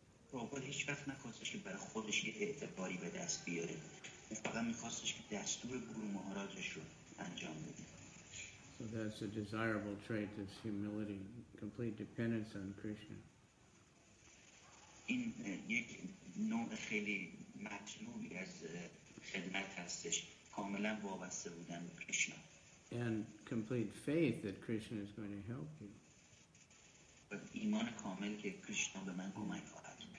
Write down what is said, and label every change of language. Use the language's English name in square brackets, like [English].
[English] So that's a desirable trait, this humility, complete dependence on Krishna. [Persian] این یک نوع خیلی مطلوبی از خدمت هستش کاملا وابسته بودن به کریشنا [English] and complete faith that Krishna is going to help you [Persian] ایمان کامل که کریشنا به من کمک خواهد